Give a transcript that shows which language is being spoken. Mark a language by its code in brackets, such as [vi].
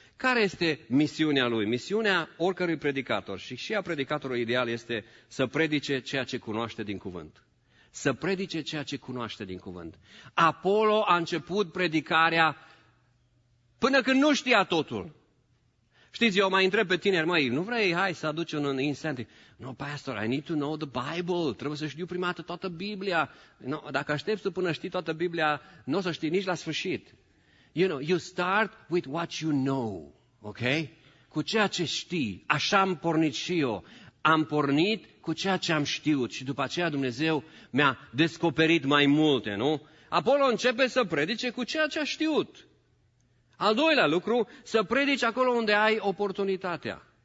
[ro] Care este misiunea lui? Misiunea oricărui predicator și a predicatorului ideal este să predice ceea ce cunoaște din cuvânt. Să predice ceea ce cunoaște din cuvânt. Apolo a început predicarea până când nu știa totul. Știți, eu mai întreb pe tineri, măi, nu vrei, hai să aduci un incentive. [en] No, pastor, I need to know the Bible. [ro] Trebuie să știu prima dată toată Biblia. No, dacă aștepți tu până știi toată Biblia, nu o să știi nici la sfârșit. [en] You know, you start with what you know, ok? [ro] Cu ceea ce știi. Așa am pornit și eu. Am pornit cu ceea ce am știut și după aceea Dumnezeu mi-a descoperit mai multe, nu? Apolo începe să predice cu ceea ce a știut. Al doilea lucru, să predici acolo unde ai oportunitatea.